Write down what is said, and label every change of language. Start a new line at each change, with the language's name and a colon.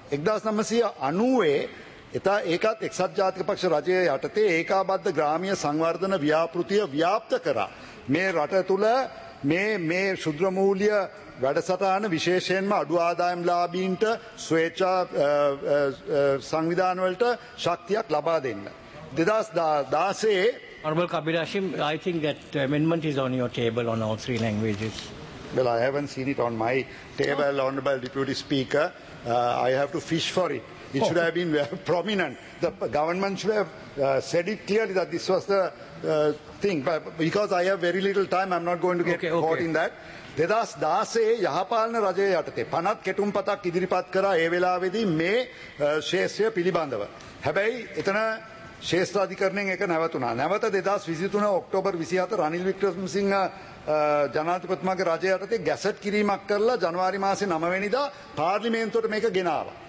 Sinhala: 1990 එතා ඒකත් එක්සත් ජාතික පක්ෂ රජය යටතේ ඒකාබද්ධ ග්‍රාමීය සංවර්ධන ව්‍යාපෘතිය ව්‍යාප්ත කරා. මේ රට තුළ මේ ශුද්‍රමූල්‍ය වැඩසටහන විශේෂයෙන්ම අඩු ආදායම්ලාභීන්ට ස්වේච්ඡා සංවිධානවලට ශක්තියක් ලබා දෙන්න. 2016
English: Honorable Kabir Hashim, I think that amendment is on your table on all three languages. Well, I haven't seen it on my table, Honorable Deputy Speaker. I have to fish for it. It should have been prominent. The government should have said it clearly that this was the thing. But because I have very little time, I'm not going to get caught in that.
Sinhala: 2016 යහපාලන රජය යටතේ පනත් කෙටුම්පතක් ඉදිරිපත් කරා ඒ වෙලාවේදී මේ ශේෂ්ත්‍රය පිළිබඳව. හැබැයි එතන ශේෂ්ත්‍රාධිකරණයෙන් එක නැවතුණා. නැවත 2023 ඔක්ටෝබර් 27 රනිල් වික්‍රමසිංහ ජනාධිපතිතුමාගේ රජය යටතේ ගැසට් කිරීමක් කරලා ජනවාරි මාසේ 9 වෙනිදා පාර්ලිමේන්තුවට මේක ගෙනාවා.